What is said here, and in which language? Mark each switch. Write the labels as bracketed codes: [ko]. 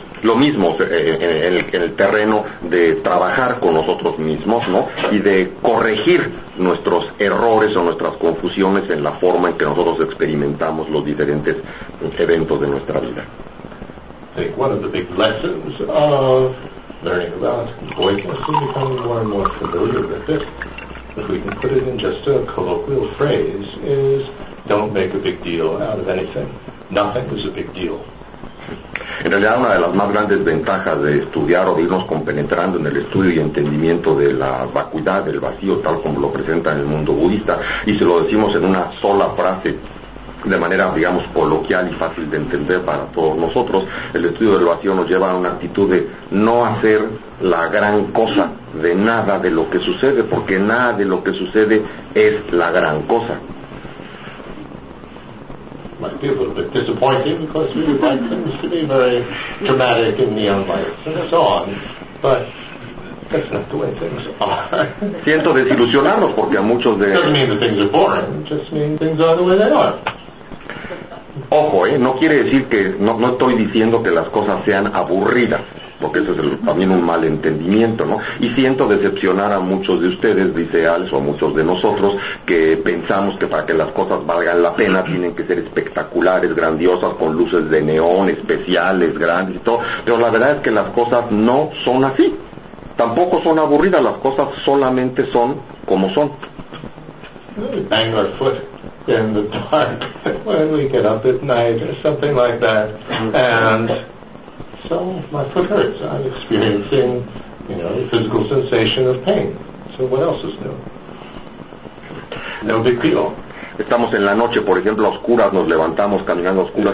[es] Lo mismo en el terreno de trabajar con nosotros mismos, ¿no? Y de corregir nuestros errores o nuestras confusiones en la forma en que nosotros experimentamos los diferentes eventos de nuestra vida. [en] I think one of the big lessons of learning about voidness and becoming more and more familiar with it, if we can put it in just a colloquial phrase, is don't make a big deal out of anything. Nothing is a big deal. [es] En realidad, una de las más grandes ventajas de estudiar o de irnos compenetrando en el estudio y entendimiento de la vacuidad, del vacío, tal como lo presenta en el mundo budista, y se lo decimos en una sola frase, de manera, digamos, coloquial y fácil de entender para todos nosotros, el estudio del vacío nos lleva a una actitud de no hacer la gran cosa de nada de lo que sucede, porque nada de lo que sucede es la gran cosa. [en] Might be a little bit disappointing because we would like things to be very dramatic in neon lights and so on, but that's not the way things are. [es] Siento desilusionarnos porque a muchos de. [en] Doesn't mean that things are boring, just mean things are the way they are. [es] Ojo, no quiere decir que. No estoy diciendo que las cosas sean aburridas. Porque eso es también un mal entendimiento, ¿no? Y siento decepcionar a muchos de ustedes, dice Alex, o a muchos de nosotros, que pensamos que para que las cosas valgan la pena tienen que ser espectaculares, grandiosas, con luces de neón, especiales, grandes y todo. Pero la verdad es que las cosas no son así. Tampoco son aburridas, las cosas solamente son como son. [en] Bang our foot in the dark when we get up at night or something like that. And so my foot hurts. I'm experiencing, you know, the physical sensation of pain. So what else is new? No big deal. [es] Estamos en la noche, por ejemplo, a oscuras, nos levantamos caminando a oscuras.